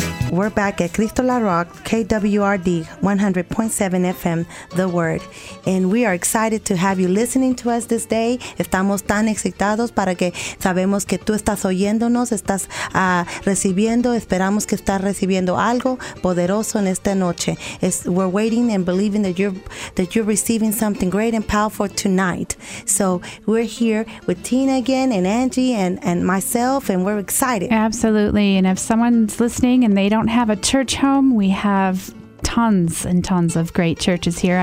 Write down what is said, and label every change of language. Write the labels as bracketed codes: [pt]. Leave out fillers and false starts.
[en] We're back at Cristo La Rock, KWRD 100.7 FM, The Word. And we are excited to have you listening to us this day. [es] Estamos tan excitados para que sabemos que tú estás oyéndonos, estás recibiendo, esperamos que estás recibiendo algo poderoso en esta noche. [en] We're waiting and believing that you're receiving something great and powerful tonight. So we're here with Tina again and Angie and myself, and we're excited. Absolutely. And if someone's listening and they don't have a church home, we have tons and tons of great churches here.